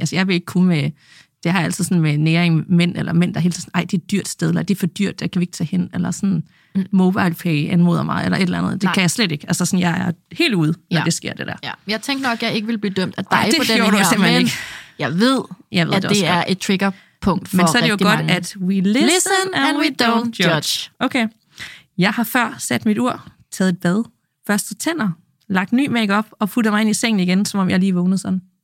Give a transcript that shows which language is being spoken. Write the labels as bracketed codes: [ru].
[da] Altså, jeg vil ikke kunne med... Det har jeg altid sådan med næring mænd, eller mænd, der hele tiden sådan, ej, det er dyrt sted, eller det er for dyrt, der kan vi ikke tage hen, eller sådan mobile pay anmoder mig, eller et eller andet. Det kan jeg slet ikke. Altså, sådan, jeg er helt ude, når det sker, det der. Ja. Jeg tænkte nok, at jeg ikke ville blive dømt af dig på den her, men jeg ved at det er et triggerpunkt for rigtig mange. Men så er det jo godt, mange, [en] at we listen and we don't judge. [da] Okay. Jeg har før sat mit ur, taget et bad, børstet tænder, lagt ny makeup og putter mig ind i sengen igen, som om jeg lige vågnede sådan.